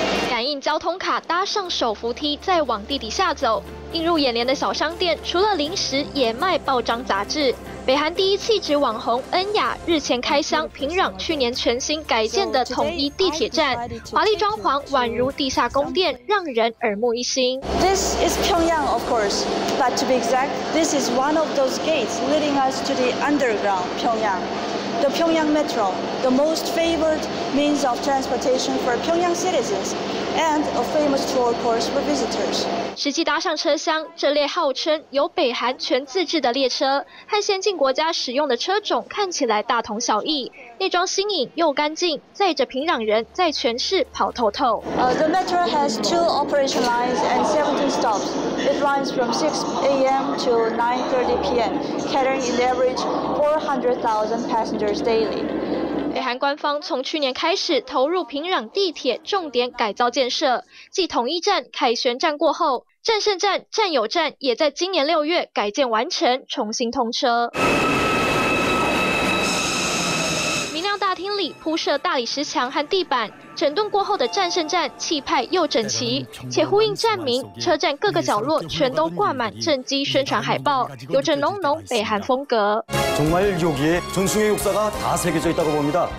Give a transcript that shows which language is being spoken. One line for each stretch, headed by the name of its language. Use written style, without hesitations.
Chinese: 感应交通卡，搭上手扶梯，再往地底下走。映入眼帘的小商店，除了零食，也卖报章杂志。北韩第一气质网红恩雅日前开箱平壤去年全新改建的统一地铁站，华丽装潢宛如地下宫殿，让人耳目一新。
English: This is Pyongyang, of course, but to be exact, this is one of those gates leading us to the underground Pyongyang. The Pyongyang Metro, the most favored means of transportation for Pyongyang citizens, and a famous tour course for visitors.
Chinese: 实际搭上车厢，这列号称由北韩全自制的列车，和先进国家使用的车种看起来大同小异，内装新颖又干净，载着平壤人在全市跑透透。
English: The Metro has two operation lines and 17 stops. It runs from 6 a.m. to 9:30 p.m., carrying an average 400,000 passengers.
Chinese: 北韩官方从去年开始投入平壤地铁重点改造建设，继统一站、凯旋站过后，战胜站、战友站也在今年6月改建完成，重新通车。明亮大厅里铺设大理石墙和地板，整顿过后的战胜站气派又整齐，且呼应站名，车站各个角落全都挂满政绩宣传海报，有着浓浓北韩风格。
Korean: 정말여기에전승의역사가다새겨져있다고봅니다